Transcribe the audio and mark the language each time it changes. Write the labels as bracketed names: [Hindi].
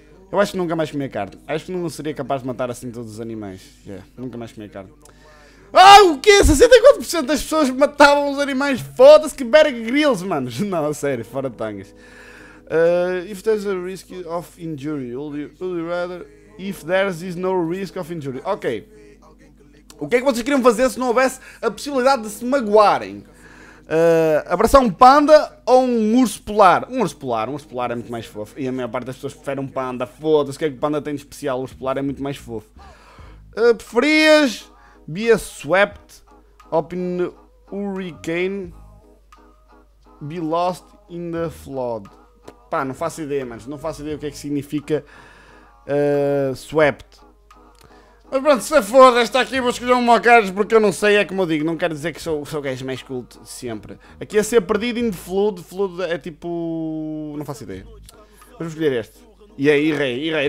[Portuguese] Eu acho que nunca mais comer carne, acho que não seria capaz de matar assim todos os animais, [English] yeah, [Portuguese] nunca mais comer carne. Ah, o quê? 64% das pessoas matavam os animais, foda-se, que Bear Grylls, manos. Não, a sério, fora de tangas. [English] If there's a risk of injury, would you rather... If there is no risk of injury. Ok. [Portuguese] O que é que vocês queriam fazer se não houvesse a possibilidade de se magoarem? Abraçar um panda ou um urso polar? Um urso polar é muito mais fofo. E a maior parte das pessoas prefere um panda, foda-se. O que é que o panda tem de especial? O urso polar é muito mais fofo. Preferias... [English] Be a swept up in the hurricane, be lost in the flood. [Portuguese] Pá, não faço ideia, mas não faço ideia o que é que significa swept. Mas pronto, se foda, está aqui, vou escolher um mau caras porque eu não sei, é como eu digo, não quero dizer que sou o gajo mais culto, sempre. Aqui é ser perdido [English] in the flood, [Portuguese] flood é tipo... não faço ideia. Vamos escolher este. E aí, errei.